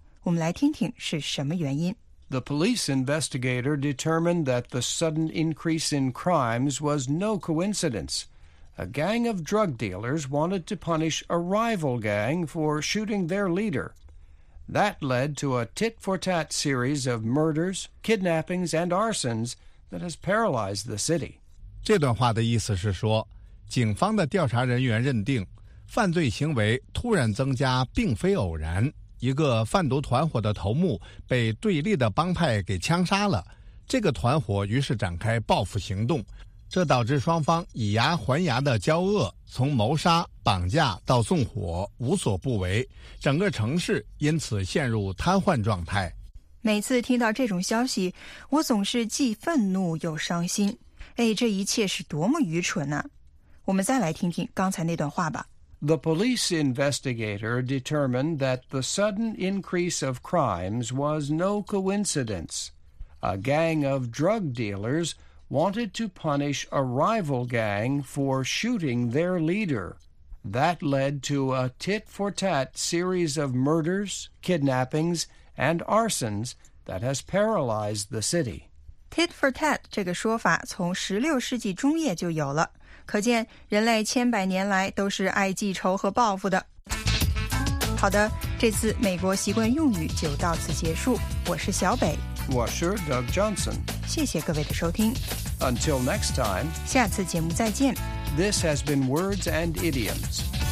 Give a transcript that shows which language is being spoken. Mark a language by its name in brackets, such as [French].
[English] The police investigator determined that the sudden increase in crimes was no coincidence. A gang of drug dealers wanted to punish a rival gang for shooting their leader. That led to a tit-for-tat series of murders, kidnappings, and arsons that has paralyzed the city. [Chinese] 这段话的意思是说，警方的调查人员认定，犯罪行为突然增加并非偶然。一个贩毒团伙的头目被对立的帮派给枪杀了，这个团伙于是展开报复行动，这导致双方以牙还牙的交恶，从谋杀、绑架到纵火，无所不为，整个城市因此陷入瘫痪状态。每次听到这种消息，我总是既愤怒又伤心。哎，这一切是多么愚蠢呢？我们再来听听刚才那段话吧。 [English] The police investigator determined that the sudden increase of crimes was no coincidence. A gang of drug dealers wanted to punish a rival gang for shooting their leader. That led to a tit-for-tat series of murders, kidnappings, and arsons that has paralyzed the city. [Chinese] Tit-for-tat 这个说法从16世纪中叶就有了。可见人类千百年来都是爱记仇和报复的。好的，这次美国习惯用语就到此结束。我是小北。我是 Doug Johnson。谢谢各位的收听。 [English] Until next time. [Chinese] 下次节目再见。 [English] This has been Words and Idioms.